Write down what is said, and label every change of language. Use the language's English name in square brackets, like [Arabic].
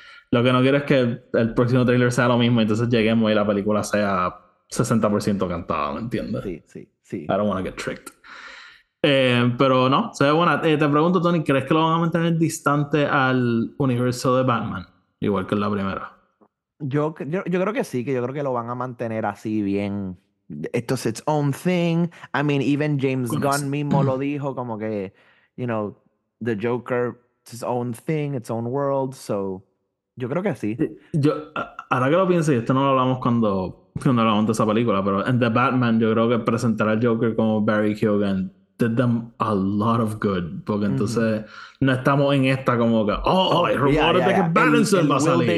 [Spanish] Lo que no quiero es que el próximo trailer sea lo mismo, entonces lleguemos y la película sea 60% cantada, ¿me entiendes? Sí, sí, sí. [English] I don't want to get tricked. [Spanish] Pero no, se ve buena. Te pregunto, Tony, ¿crees que lo van a mantener distante al universo de Batman? Igual que en la primera. Yo creo que sí, que yo creo que lo van a mantener así bien... [English] It's its own thing. I mean, even James Gunn [Spanish] mismo lo dijo, como que, [English] you know, the Joker, it's its own thing, its own world. So, [Spanish] yo creo que sí. Yo, ahora que lo pienso, y esto no lo hablamos cuando hablamos de esa película, pero en The Batman, yo creo que presentar al Joker como Barry Keoghan [English] did them a lot of good. [Spanish] Porque entonces, no estamos en esta como que, el rumor de que Pattinson va a salir.